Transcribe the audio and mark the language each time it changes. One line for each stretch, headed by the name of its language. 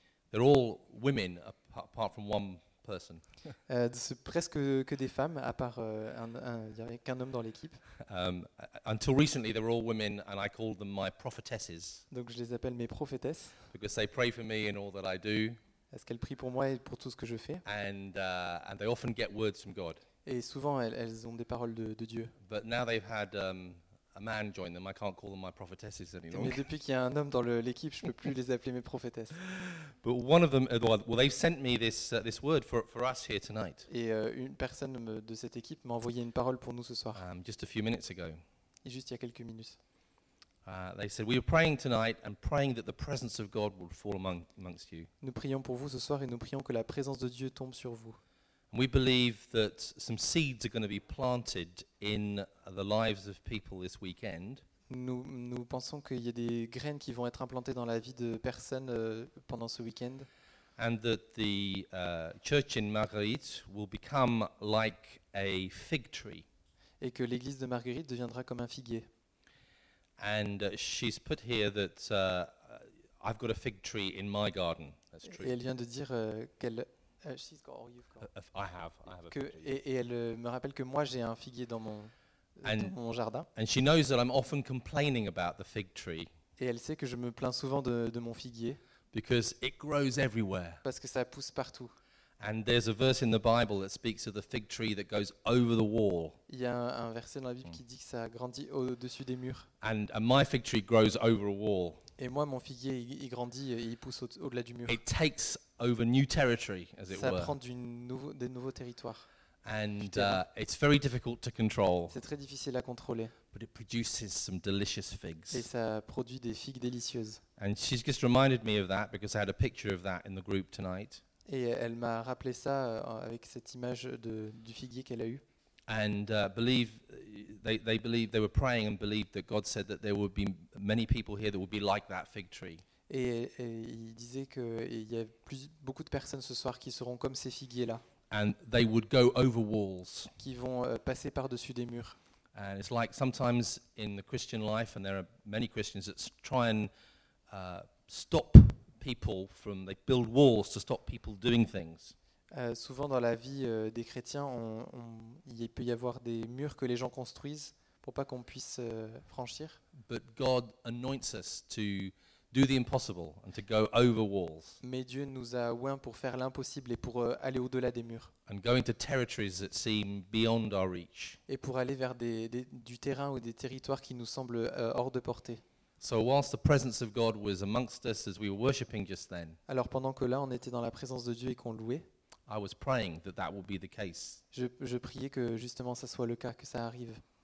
English: They're all women apart from one person.
French: C'est presque que des femmes, à part il y a qu'un homme dans l'équipe.
English: Until recently, they were all women, and I called them my prophetesses.
French: Donc je les appelle mes prophétesses.
English: Because they pray for me and all that I do.
French: Parce qu'elles prient pour moi et pour tout ce que je fais.
English: And they often get words from God.
French: Et souvent elles ont des paroles de Dieu.
English: But now they've had a man join them. I can't call them my prophetesses anymore.
French: Mais depuis qu'il y a un homme dans l'équipe, je peux plus les appeler mes prophétesses.
English: But one of them, well, they've sent me this word for us here tonight.
French: Et une personne de cette équipe m'a envoyé une parole pour nous ce soir.
English: Just a few minutes ago.
French: Et juste il y a quelques minutes.
English: They said we were praying tonight and praying that the presence of God would fall amongst you.
French: Nous prions pour vous ce soir et nous prions que la présence de Dieu tombe sur vous.
English: We believe that some seeds are going to be planted in the lives of people this weekend.
French: Nous pensons qu'il y a des graines qui vont être implantées dans la vie de personnes pendant ce week-end.
English: And that the church in Marguerite will become like a fig tree.
French: Et que l'église de Marguerite deviendra comme un figuier.
English: And she's put here that I've got a fig tree in my garden. That's true.
French: Et elle vient de dire qu'elle
English: she's got, or you've got. I have
French: que,
English: a figuier.
French: Et elle me rappelle que moi j'ai un figuier dans mon jardin.
English: And she knows that I'm often complaining about the fig tree.
French: Et elle sait que je me plains souvent de mon figuier.
English: Because it grows everywhere.
French: Parce que ça pousse partout.
English: And there's a verse in the Bible that speaks of the fig tree that goes over the wall.
French: Il y a un verset dans la Bible qui dit que ça grandit au-dessus des murs.
English: And my fig tree grows over a wall.
French: Et moi mon figuier il grandit et il pousse au-delà du mur.
English: It takes over new territory as it
French: ça
English: were.
French: Ça prend des nouveaux territoires.
English: And it's very difficult to control.
French: C'est très difficile à contrôler.
English: But it produces some delicious figs.
French: Et ça produit des figues délicieuses.
English: And she's just reminded me of that because I had a picture of that in the group tonight.
French: Et elle m'a rappelé ça avec cette image du figuier qu'elle a eu.
English: And believe they believed they were praying and believed that God said that there would be many people here that would be like that fig tree.
French: Et il disait que il y a beaucoup de personnes ce soir qui seront comme ces figuiers là.
English: And they would go over walls.
French: Qui vont passer par-dessus des murs.
English: And it's like sometimes in the Christian life, and there are many Christians that try and stop people from they build walls to stop people doing things.
French: Souvent dans la vie des chrétiens, il peut y avoir des murs que les gens construisent pour pas qu'on puisse franchir.
English: But God anoints us to do the impossible and to go over walls.
French: Mais Dieu nous a oint pour faire l'impossible et pour aller au-delà des murs.
English: And going to territories that seem beyond our reach.
French: Et pour aller vers du terrain ou des territoires qui nous semblent hors de portée.
English: So whilst the presence of God was amongst us as we were worshiping just then.
French: Alors pendant que là on était dans la présence de Dieu et qu'on louait.
English: I was praying that that would be the case.
French: Je priais que justement ça soit le cas, que ça arrive.